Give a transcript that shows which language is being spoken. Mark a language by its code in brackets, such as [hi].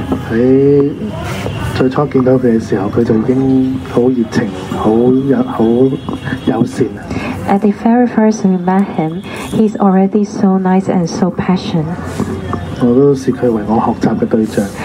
[yue] 喺最初見到佢嘅時候， 佢就已經好熱情，好友善。 [en] At the very first we met him, he's already so nice and so passionate. [yue] 我都視佢為我學習嘅對象。